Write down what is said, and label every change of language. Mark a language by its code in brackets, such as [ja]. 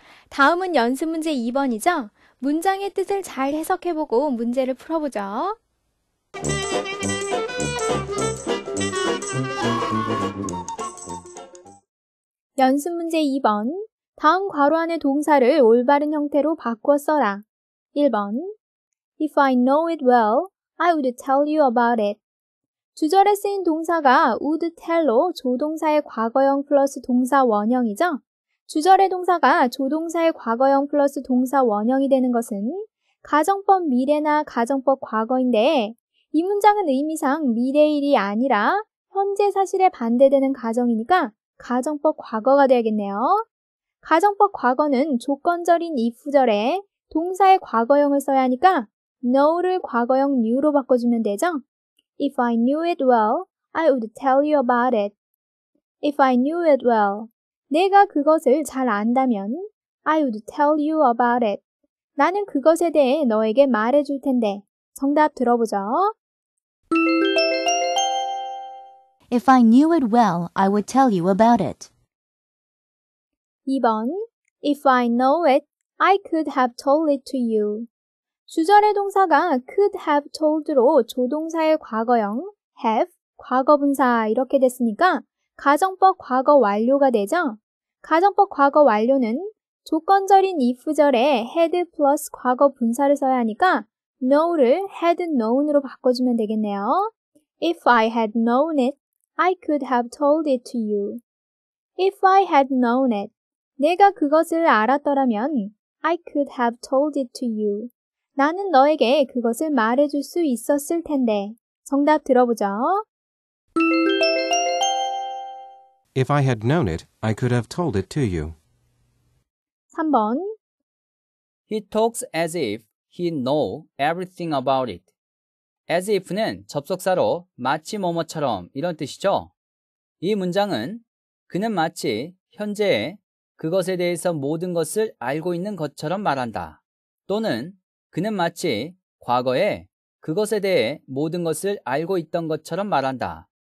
[ko] 다음은 연습 문제 2번이죠. 문장의 뜻을 잘 해석해보고 문제를 풀어보죠. 연습 문제 2번. 다음 괄호 안의 동사를 올바른 형태로 바꿔 써라. 1번. [en] If I know it well, I would tell you about it. [ko] 주절에 쓰인 동사가 would tell로 조동사의 과거형 플러스 동사 원형이죠. 주절의 동사가 조동사의 과거형 플러스 동사 원형이 되는 것은 가정법 미래나 가정법 과거인데 이 문장은 의미상 미래일이 아니라 현재 사실에 반대되는 가정이니까 가정법 과거가 되겠네요. 가정법 과거는 조건절인 if절에 동사의 과거형을 써야 하니까 know를 과거형 new로 바꿔주면 되죠. [en] If I knew it well, I would tell you about it. If I knew it well, [ko] 내가 그것을 잘 안다면 [en] I would tell you about it. [ko] 나는 그것에 대해 너에게 말해줄 텐데. 정답 들어보죠. [en] If I knew it well, I would tell you about it. 2번 If I know it, I could have told it to you. [ko] 주절의 동사가 could have told로 조동사의 과거형 have, 과거분사 이렇게 됐으니까 가정법 과거 완료가 되죠? 가정법 과거 완료는 조건절인 if절에 had 플러스 과거분사를 써야 하니까 know를 had known으로 바꿔주면 되겠네요. [en] If I had known it, I could have told it to you. If I had known it, [ko] 내가 그것을 알았더라면 [en] I could have told it to you. [ko] 나는 너에게 그것을 말해줄 수 있었을 텐데. 정답 들어보죠. [en] If I had known it, I could have told it to you. [ko] 3번 [en] He talks as if he know everything about it. [ko] As if는 접속사로 마치 뭐뭐처럼 이런 뜻이죠. 이 문장은 그는 마치 현재에 그것에 대해서 모든 것을 알고 있는 것처럼 말한다. 또는 그는 마치 과거에 그것에 대해 모든 것을 알고 있던 것처럼 말한다.